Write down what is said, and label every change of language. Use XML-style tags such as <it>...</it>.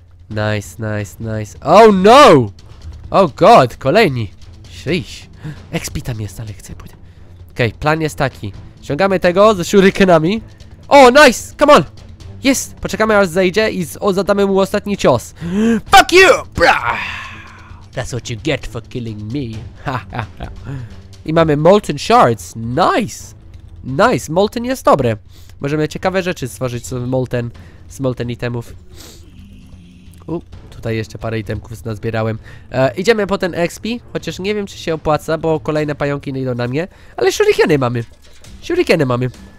<en>Nice. Oh no! Oh god, kolejni. Sheesh.</en> <pl>XP tam jest, ale chcę pójść. Okej, plan jest taki. Ściągamy tego ze shurikenami.</pl> <en>Oh, nice, come on.</en> <pl>Jest, poczekamy aż zejdzie i zadamy mu ostatni cios.</pl> <en>Fuck you, brah. That's what you get for killing me. Ha, ha, ha.</en> <pl>I mamy Molten Shards. Nice. Nice. Molten jest dobre. Możemy ciekawe rzeczy stworzyć z Molten itemów. Tutaj jeszcze parę itemków nazbierałem. Idziemy po ten XP. Chociaż nie wiem, czy się opłaca, bo kolejne pająki nie idą na mnie. Ale shurikeny mamy. Shurikeny mamy.</pl>